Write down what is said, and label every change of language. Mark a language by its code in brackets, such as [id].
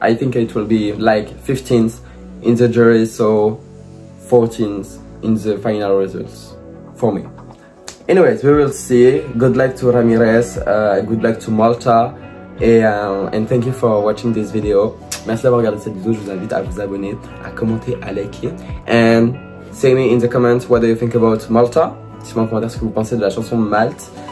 [en] I think it will be like 15th in the juries, so 14th in the final results for me. Anyways, we will see. Good luck to Ramirez, good luck to Malta, and thank you for watching this video. [fr] Merci d'avoir regardé cette vidéo, je vous invite à vous abonner, à commenter, à liker. [en] And say me in the comments what do you think about Malta. [fr] Dites-moi en commentaire ce que vous pensez de la chanson Malte.